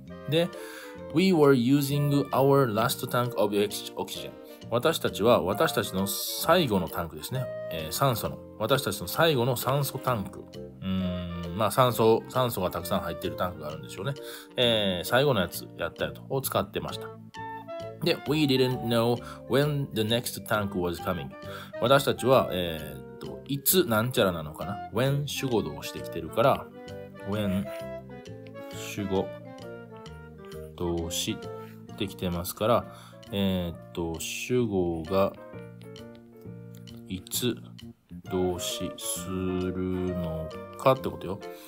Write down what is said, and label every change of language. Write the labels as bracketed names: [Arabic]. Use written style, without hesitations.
[English] で、we were using our last tank of oxygen. [Japanese] 私たちは、私たちの最後のタンクですね。酸素の。私たちの最後の酸素タンク。まあ、酸素がたくさん入っているタンクがあるんでしょうね。最後のやつやったやと、を使ってました。 [English] で、we didn't know when the next tank was coming. [Japanese] 私たちは、いつなんちゃらなのかな ?when 主語動詞してきてるから、when 主語動詞ってきてますから、主語がいつ動詞するのかってことよ。